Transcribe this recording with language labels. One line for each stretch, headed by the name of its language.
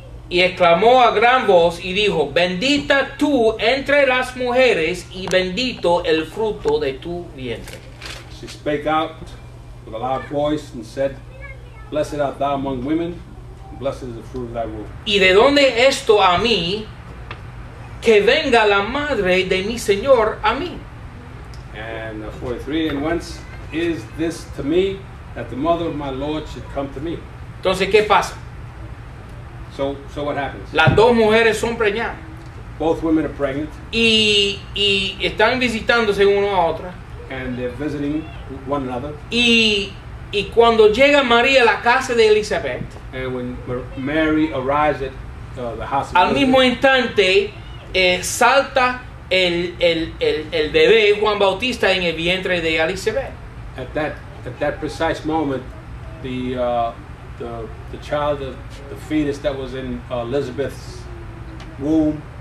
Spanish: Y exclamó a gran voz y dijo: Bendita tú entre las mujeres y bendito el fruto de tu vientre.
English: She spake out with a loud voice and said, Blessed art thou among women, and blessed is the fruit of thy womb.
Spanish: ¿Y de dónde esto a mí que venga la madre de mi Señor a mí?
English: And 43, and whence is this to me that the mother of my Lord should come to me?
Spanish: Entonces, ¿qué pasa?
English: So what happens?
Spanish: Las dos mujeres son preñadas.
English: Both women are pregnant.
Spanish: Y están visitándose una a otra.
English: And they're visiting one another.
Spanish: Y cuando llega María a la casa de Elizabeth.
English: And when Mary arrives at the house of Elizabeth.
Spanish: Al mismo instante, salta el bebé Juan Bautista en el vientre de Elizabeth.
English: At that precise moment, the child, the fetus that was in Elizabeth's womb,